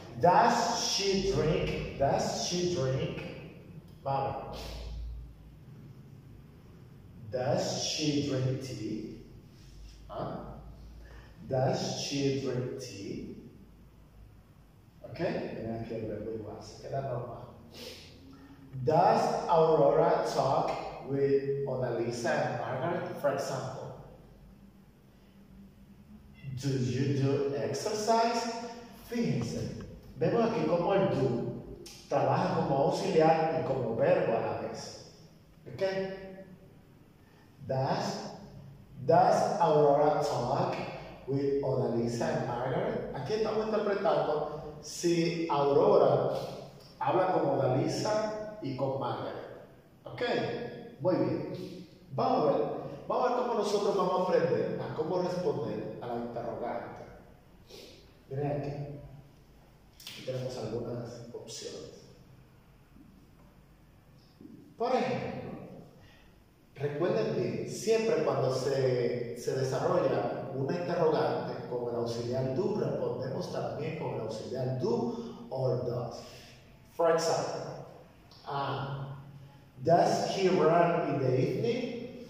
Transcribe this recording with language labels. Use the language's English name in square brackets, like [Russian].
[English] Does she drink? [Spanish] Vale. [English] Does she drink tea? Huh? Does she drink tea? Okay. [Spanish] Mira que el verbo igual se queda normal. [English] Does Aurora talk with Mona Lisa and Margaret, for example? Do you do exercise? [Spanish] Fíjense, vemos aquí cómo el do trabaja como auxiliar y como verbo a la vez. ¿Ok? [English] Does Aurora talk with Mona Lisa and Margaret? [Spanish] Aquí estamos interpretando si Aurora habla con Mona Lisa y con Margaret. ¿Ok? Muy bien. Vamos a ver cómo nosotros vamos a aprender a cómo responder a la interrogante. Miren aquí. Tenemos algunas opciones. Por ejemplo, recuerden que siempre cuando se desarrolla una interrogante con el auxiliar do, respondemos también con el auxiliar do [English] or does. For example, does he run in the evening?